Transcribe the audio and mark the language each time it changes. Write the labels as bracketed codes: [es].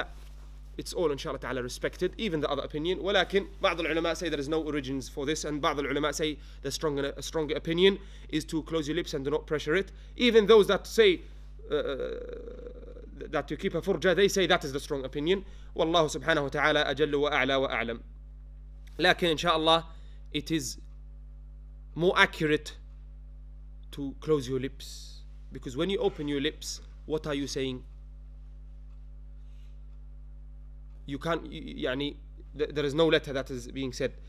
[ar] لا. [en] It's all, inshallah ta'ala, respected, even the other opinion. [ar] ولكن بعض العلماء [en] say there is no origins for this, and [ar] بعض العلماء [en] say the stronger opinion is to close your lips and do not pressure it. Even those that say that you keep a furja, they say that is the strong opinion. [ar] والله سبحانه وتعالى أجل وأعلى وأعلم. لكن إن شاء الله [en] it is more accurate to close your lips, because when you open your lips, what are you saying? You can't, [ar] يعني, [en] there is no letter that is being said.